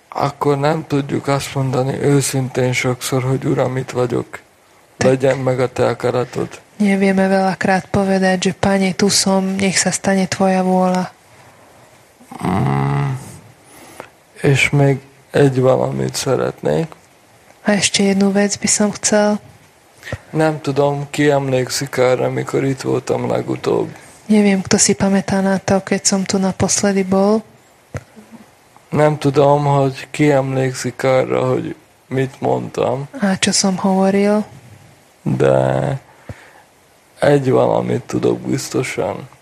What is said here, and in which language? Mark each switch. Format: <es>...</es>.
<hu>akkor nem tudjuk azt mondani őszintén sokszor, hogy Uram, itt vagyok, legyen meg a te akaratod.</hu> <sk>Nevieme veľakrát povedať, že Pane, tu som, nech sa stane tvoja vôľa.</sk> <hu>És még egy valamit szeretnék.</hu> <sk>A ešte jednu vec by som chcel.</sk> <hu>Nem tudom, ki emlékszik arra, amikor itt voltam legutóbb.</hu> <sk>Neviem, kto si pamätá na to, keď som tu naposledy bol.</sk> <hu>Nem tudom, hogy ki emlékszik arra, hogy mit mondtam.</hu> <sk>A čo som hovoril.</sk> <hu>De egy valamit tudok biztosan.</hu>